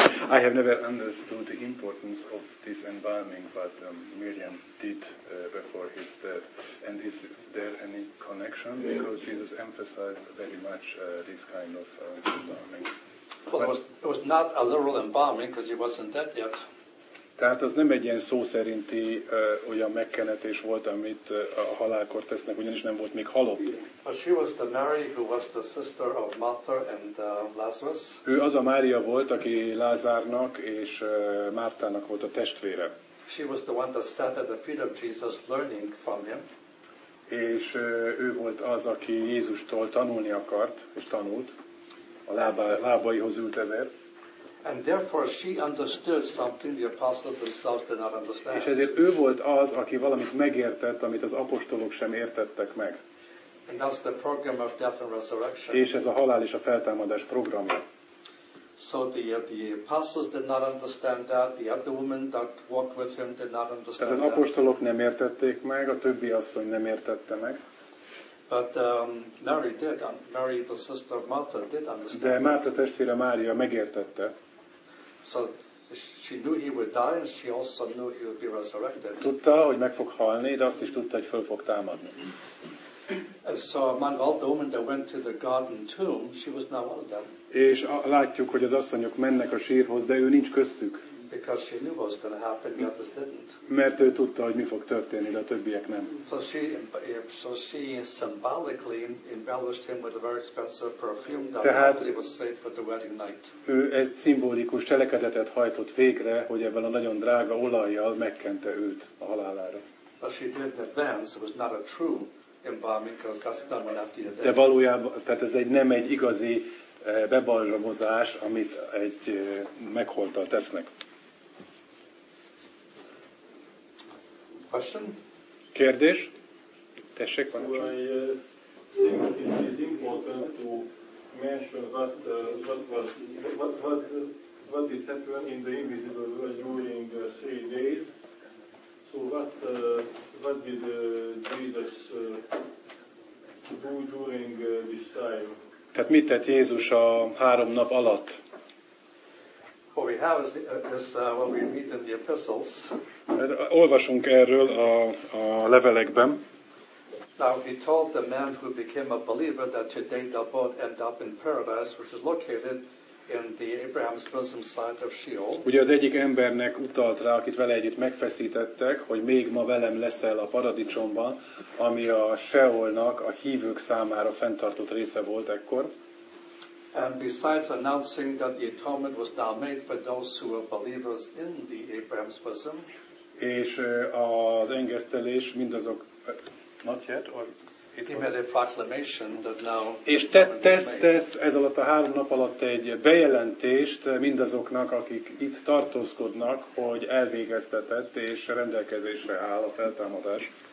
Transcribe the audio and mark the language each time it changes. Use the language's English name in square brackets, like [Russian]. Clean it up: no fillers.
[English] I have never understood the importance of this embalming, but Miriam did before his death. And is there any connection? Because Jesus emphasized very much this kind of embalming. Well, it was not a literal embalming because he wasn't dead yet. [Hungarian] Tehát az nem egy ilyen szó szerinti olyan megkenetés volt, amit a halálkor tesznek, ugyanis nem volt még halott. [English] But she was the Mary who was the sister of Martha and Lazarus. [Hungarian] Ő az a Mária volt, aki Lázárnak és Mártának volt a testvére. [English] She was the one that sat at the feet of Jesus learning from him. [Hungarian] És ő volt az, aki Jézustól tanulni akart, és tanult. A lábaihoz ült ezért. [English] And therefore she understood something the apostles themselves did not understand. [Hungarian] És ezért ő volt az, aki valamit megértett, amit az apostolok sem értettek meg. [English] And that's the program of death and resurrection. [Hungarian] És ez a halál és a feltámadás programja. [English] So the apostles did not understand that, the other woman that walked with him did not understand that. [Hungarian] Tehát az apostolok nem értették meg, a többi asszony nem értette meg. [English] But Mary did. Mary, the sister of Martha, did understand. [Hungarian] De Márta testvére Mária megértette. [English] So she knew he would die, and she also knew he would be resurrected. [Hungarian] Tudta, hogy meg fog halni, de azt is tudta, hogy föl fog támadni. [English] And so among all the women that went to the garden tomb, she was not one of them. [Hungarian] És látjuk, hogy az asszonyok mennek a sírhoz, de ő nincs köztük. [English] Because she knew what was going to happen, the others didn't. [Hungarian] Mert ő tudta, hogy mi fog történni, de a többiek nem. [English] So she symbolically embellished him with a very expensive perfume that probably was saved for the wedding night. [Hungarian] Ő egy szimbolikus cselekedetet hajtott végre, hogy ebben a nagyon drága olajjal megkente őt a halálára. [English] But she did in advance. It was not a true embalming, because God's done one after the day. [Hungarian] De valójában, tehát ez nem egy igazi bebalzsamozás, amit egy megholttal tesznek. [English] Question? [Hungarian] Kérdés? Tessék, van a csinál. [English] I think it is important to mention what is happening in the invisible world during three days. So what did Jesus do during this time? [Hungarian] Tehát mit tett Jézus a három nap alatt? [English] What we have is what we meet in the epistles. [Hungarian] Olvasunk erről a levelekben. [English] Now he told the man who became a believer that today they'll both end up in paradise, which is located in the Abraham's bosom site of Sheol. [Hungarian] Ugye az egyik embernek utalt rá, akit vele együtt megfeszítettek, hogy még ma velem leszel a paradicsomban, ami a Sheolnak a hívők számára fenntartott része volt ekkor. [English] And besides announcing that the atonement was now made for those who were believers in the Abraham's bosom. [Hungarian] És az engesztelés mindazok [English] not yet or he made a proclamation that now. [Hungarian] És tesz ez alatt a három nap alatt egy bejelentést mindazoknak, akik itt tartózkodnak, hogy elvégeztetett és rendelkezésre áll a feltámadás.